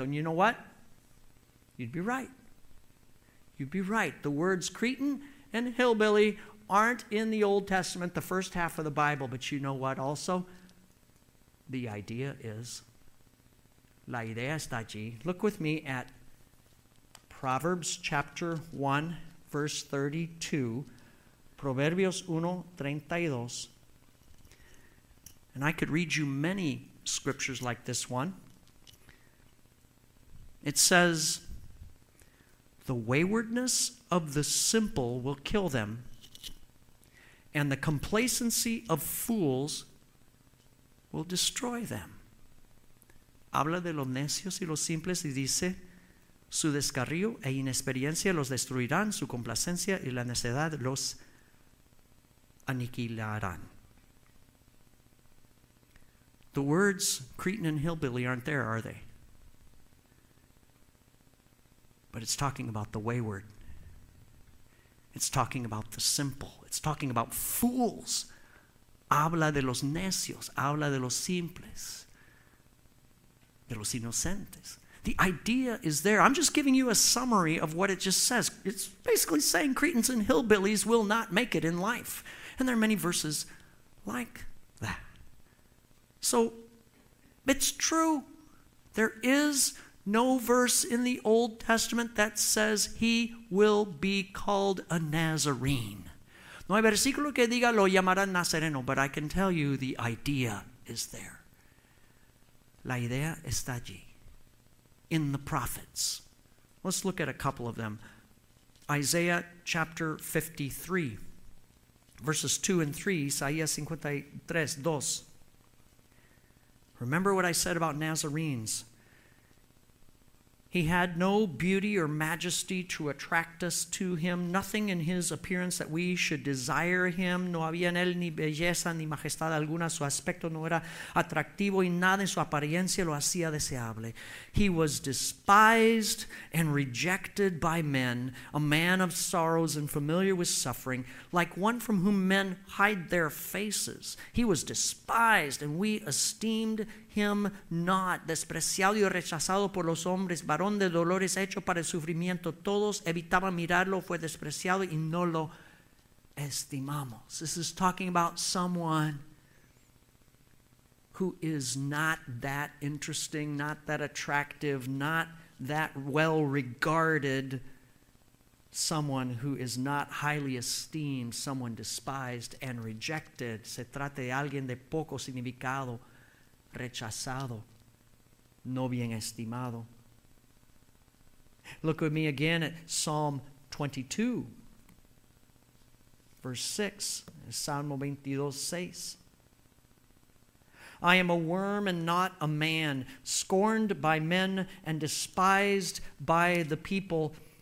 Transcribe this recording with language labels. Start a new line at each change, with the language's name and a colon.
English: And you know what? You'd be right. You'd be right. The words Cretan and hillbilly aren't in the Old Testament, the first half of the Bible. But you know what also? The idea is,
Spanish: la idea está allí.
English: Look with me at Proverbs chapter 1, verse 32.
Spanish: Proverbios 1:32.
English: And I could read you many scriptures like this one. It says, the waywardness of the simple will kill them, and the complacency of fools will destroy them.
Spanish: Habla de los necios y los simples y dice, su descarrío e inexperiencia los destruirán, su complacencia y la necedad los aniquilarán.
English: The words Cretan and hillbilly aren't there, are they? But it's talking about the wayward. It's talking about the simple. It's talking about fools.
Spanish: Habla de los necios. Habla de los simples. De los inocentes.
English: The idea is there. I'm just giving you a summary of what it just says. It's basically saying Cretans and hillbillies will not make it in life. And there are many verses like that. So, it's true. There is no verse in the Old Testament that says he will be called a Nazarene.
Spanish: No hay versículo que diga lo llamarán Nazareno,
English: but I can tell you the idea is there.
Spanish: La idea está allí.
English: In the prophets. Let's look at a couple of them. Isaiah chapter 53, verses 2 and 3, Isaiah 53, 2. Remember what I said about Nazarenes. He had no beauty or majesty to attract us to him, nothing in his appearance that we should desire him.
Spanish: No había en él ni belleza ni majestad alguna, su aspecto no era atractivo y nada en su apariencia lo hacía deseable.
English: He was despised and rejected by men, a man of sorrows and familiar with suffering, like one from whom men hide their faces. He was despised and we esteemed him not,
Spanish: despreciado y rechazado por los hombres, varón de dolores, hecho para el sufrimiento. Todos evitaban mirarlo, fue despreciado y no lo estimamos.
English: This is talking about someone who is not that interesting, not that attractive, not that well regarded, someone who is not highly esteemed, someone despised and rejected.
Spanish: Se trata de alguien de poco significado, rechazado, no bien estimado.
English: Look with me again at Psalm 22, verse 6, Salmo 22, 6. I am a worm and not a man, scorned by men and despised by the people.